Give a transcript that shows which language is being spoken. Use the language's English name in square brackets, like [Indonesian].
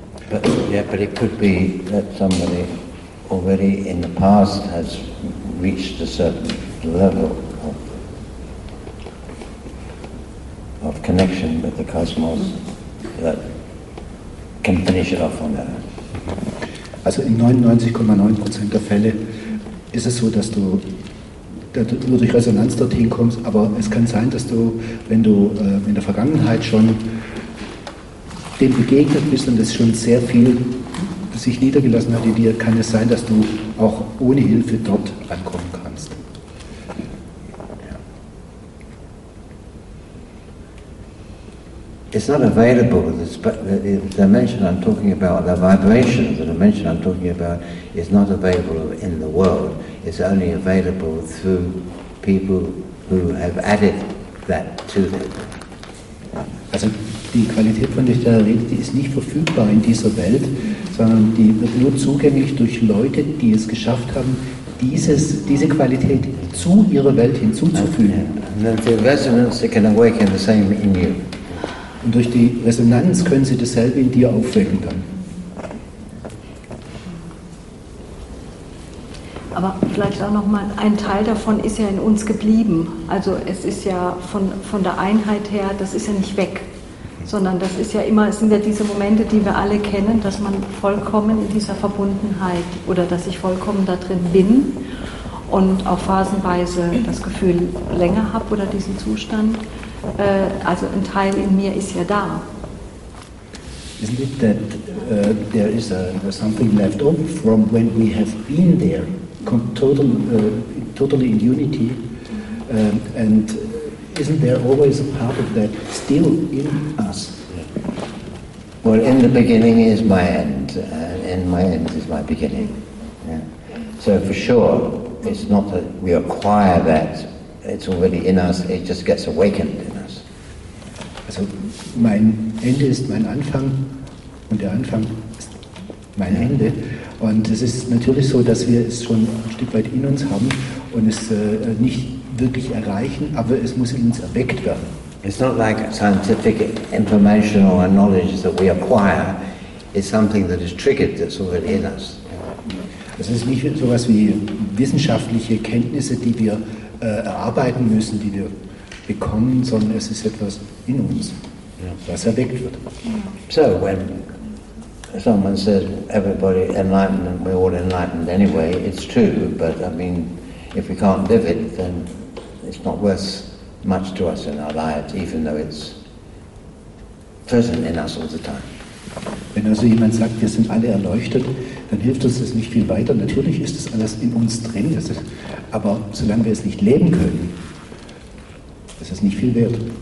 [English] But it could be that somebody already in the past has reached a certain level of connection with the cosmos that can finish it off on their own. [German] Also in 99.9% der Fälle ist es so, dass du nur durch Resonanz dorthin kommst, aber es kann sein, dass du, wenn du in der Vergangenheit schon dem begegnet bist und es schon sehr viel sich niedergelassen hat in dir, kann es sein, dass du auch ohne Hilfe dort ankommen kannst. [English] It's not available. The dimension I'm talking about, the vibration, the dimension I'm talking about, is not available in the world. It's only available through people who have added that to them. [German] Also, die Qualität, von der ich rede, die ist nicht verfügbar in dieser Welt, sondern die wird nur zugänglich durch Leute, die es geschafft haben, diese Qualität zu ihrer Welt hinzuzufügen. [English] And the resonance that can awaken the same in you. [German] Und durch die Resonanz können sie dasselbe in dir aufwecken dann. Aber vielleicht auch nochmal, ein Teil davon ist ja in uns geblieben. Also es ist ja von der Einheit her, das ist ja nicht weg. Sondern das ist ja immer, es sind ja diese Momente, die wir alle kennen, dass man vollkommen in dieser Verbundenheit oder dass ich vollkommen da drin bin und auch phasenweise das Gefühl länger habe oder diesen Zustand. Also ein Teil in mir ist ja da. [English] Isn't it that there is something left over from when we have been there, totally in unity, and isn't there always a part of that still in us? Yeah. Well, in the beginning is my end, and my end is my beginning. Yeah. So for sure, it's not that we acquire that, it's already in us, it just gets awakened. [German] Also mein Ende ist mein Anfang und der Anfang ist meine Hände. Und es ist natürlich so, dass wir es schon ein Stück weit in uns haben und es nicht wirklich erreichen, aber es muss in uns erweckt werden. [English] It's not like scientific information or knowledge that we acquire. It's something that is triggered, that's already in us. [German] Es ist nicht so etwas wie wissenschaftliche Kenntnisse, die wir erarbeiten müssen, die wir bekommen, sondern es ist etwas in uns, was erweckt wird. [English] So, when someone says everybody enlightened and we're all enlightened anyway, it's true, but I mean, if we can't live it, then it's not worth much to us in our lives, even though it's present in us all the time. [German] Wenn also jemand sagt, wir sind alle erleuchtet, dann hilft uns das nicht viel weiter. Natürlich ist das alles in uns drin, das ist, aber solange wir es nicht leben können, ist es nicht viel wert.